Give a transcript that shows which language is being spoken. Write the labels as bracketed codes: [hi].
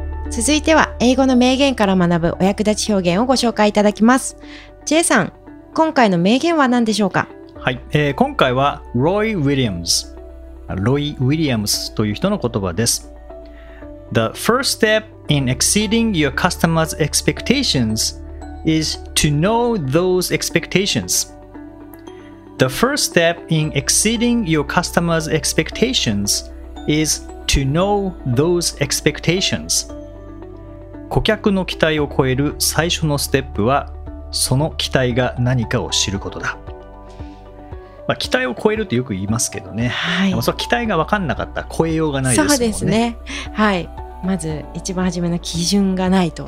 [ja] 続いては英語の名言から学ぶお役立ち表現をご紹介いただきます。 J さん、今回の名言は何でしょうか。はい、今回はロイ・ウィリアムズ、ロイ・ウィリアムズという人の言葉です。 [en] The first step in exceeding your customer's expectations is to know those expectations. The first step in exceeding your customer's expectations is to know those expectations. [ja] 顧客の期待を超える最初のステップは、その期待が何かを知ることだ。まあ、期待を超えるってよく言いますけどね、はい、でもその期待が分かんなかったら超えようがないですもんね。そうですね、はい、まず一番初めの基準がないと、